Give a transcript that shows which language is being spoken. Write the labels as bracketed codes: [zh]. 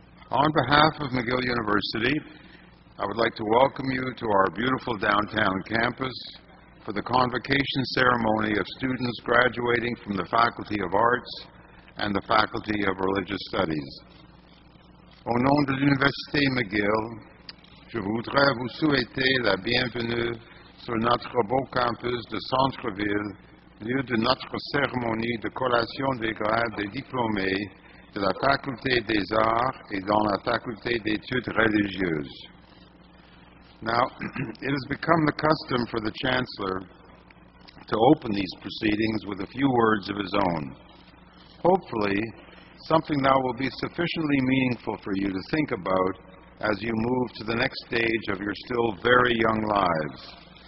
[en] On behalf of McGill University, I would like to welcome you to our beautiful downtown campus for the convocation ceremony of students graduating from the Faculty of Arts and the Faculty of Religious Studies. [fr] Au nom de l'Université McGill, je voudrais vous souhaiter la bienvenue sur notre beau campus de centre-ville, lieu de notre cérémonie de collation des grades des diplômés de la Faculté des Arts et dans la Faculté d'Études Religieuses. [en] Now, it has become the custom for the Chancellor to open these proceedings with a few words of his own. Hopefully, something that will be sufficiently meaningful for you to think about as you move to the next stage of your still very young lives.